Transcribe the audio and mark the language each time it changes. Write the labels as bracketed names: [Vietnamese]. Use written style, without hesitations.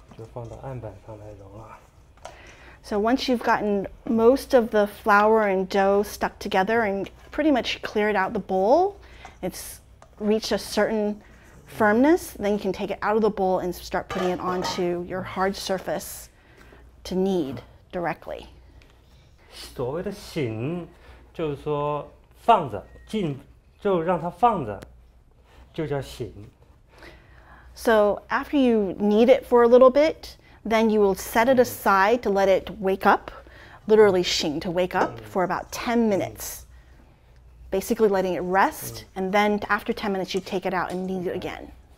[Chinese] 在这里面把它弄干净以后，就放到案板上来揉了。So [English] once you've gotten most of the flour and dough stuck together and pretty much cleared out the bowl, it's reached a certain firmness, then you can take it out of the bowl and start putting it onto your hard surface to knead directly. [Chinese] 所谓的醒，就是说放着，就让它放着，就叫醒。 [English] So after you knead it for a little bit, then you will set it aside to let it wake up, literally xing, to wake up for about 10 minutes, basically letting it rest, and then after 10 minutes, you take it out and knead it again.